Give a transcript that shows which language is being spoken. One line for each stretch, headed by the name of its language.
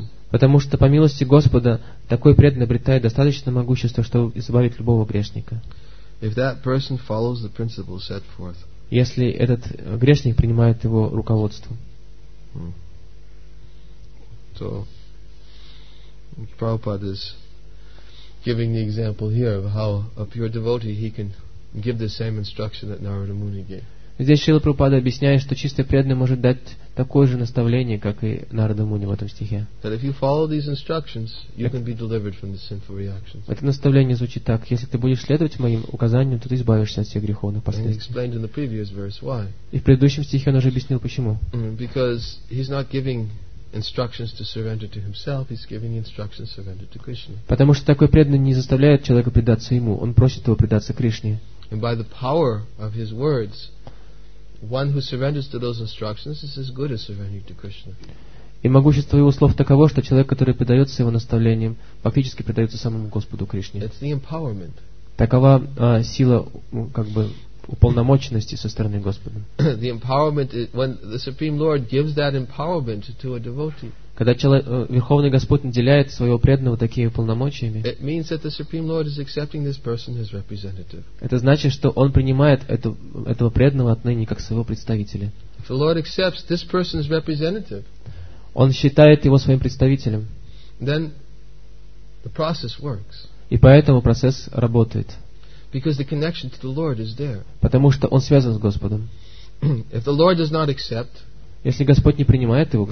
Russian: Потому что по милости Господа, такой преданный обретает достаточно могущества, чтобы избавить любого грешника. Если этот грешник принимает его руководство.
English: So, Prabhupada is giving the example here of how a pure devotee he can give the same instruction that Narada Muni gave.
Russian: Здесь Шрила Прабхупада объясняет, что чистый преданный может дать такое же наставление, как и Нарада Муни в этом стихе.
English: That if you follow these instructions, you can be delivered from the sinful reactions.
Russian: Это наставление звучит так: если ты будешь следовать моим указаниям, то ты избавишься от всех греховных последствий.
English: And he explained in the previous verse why.
Russian: И в предыдущем стихе он уже объяснил почему.
English: Because he's not giving instructions to surrender to himself, he's giving instructions to surrender to Krishna.
Russian: Потому что такой преданный не заставляет человека предаться ему, он просит его предаться Кришне.
English: And by the power of his words, one who surrenders to those instructions is as good as surrendering to Krishna.
Russian: И могущество его слов таково, что человек, который предается его наставлениям, фактически предается самому Господу Кришне.
English: It's the empowerment.
Russian: Такова сила, уполномоченности со стороны Господа.
English: The empowerment is when the Supreme Lord gives that empowerment to a devotee.
Russian: Когда Верховный Господь наделяет своего преданного такими полномочиями,
English: it means that the Supreme Lord is accepting this person as representative.
Russian: Это значит, что он принимает этого преданного отныне как своего представителя.
English: If the Lord accepts this person as representative,
Russian: он считает его своим представителем.
English: then the process works.
Russian: И поэтому процесс работает.
English: Because the connection to the Lord is there.
Russian: Потому что он связан с Господом.
English: If the Lord does not accept,
Russian: если Господь не принимает его к